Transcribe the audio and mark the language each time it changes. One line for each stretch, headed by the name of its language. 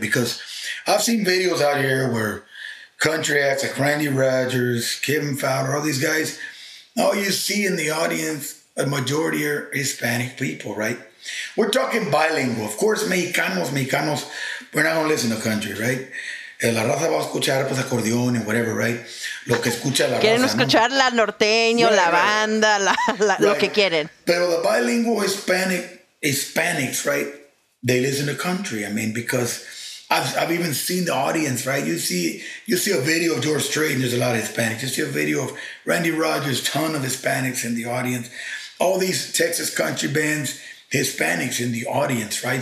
English: Because I've seen videos out here where country acts like Randy Rogers, Kevin Fowler, all these guys, all you see in the audience, a majority are Hispanic people, right? We're talking bilingual. Of course, Mexicanos, we're not going to listen to country, right?
Spanish: La raza va a escuchar, pues, acordeón y
English: whatever, right?
Spanish: Lo que escucha la raza. Quieren escuchar la norteño, la banda, lo que quieren. Pero
English: the bilingual Hispanics, right? They listen to country. I mean, because I've even seen the audience, right? You see a video of George Strait and there's a lot of Hispanics. You see a video of Randy Rogers, ton of Hispanics in the audience. All these Texas country bands, Hispanics in the audience, right?